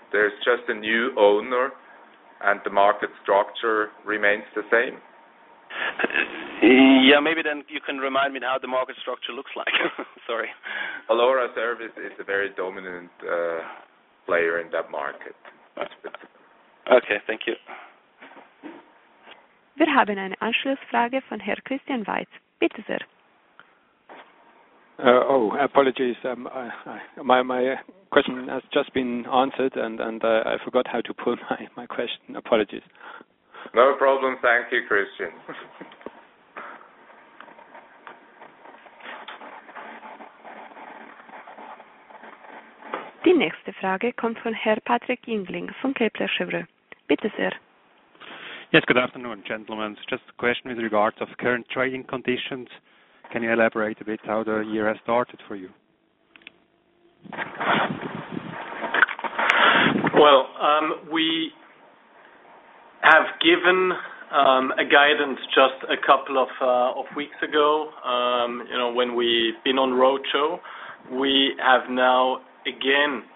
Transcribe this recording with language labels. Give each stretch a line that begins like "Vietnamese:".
English: There's just a new owner and the market structure remains the same. Yeah, maybe then you can remind me how the market structure looks like. Sorry. Valora Service is a very dominant player in that market. Okay, thank you.
German: Wir haben eine Anschlussfrage von Herr Christian Weitz. Bitte sehr.
English: Apologies. My question has just been answered and I forgot how to pull my question. Apologies. No problem. Thank you, Christian.
German: Die nächste Frage kommt von Herr Patrick Jüngling von Kepler Cheuvreux. Bitte sehr.
English: Yes, good afternoon, gentlemen. Just a question with regards of current trading conditions. Can you elaborate a bit how the year has started for you? Well, we have given a guidance just a couple of weeks ago, when we've been on roadshow. We have now again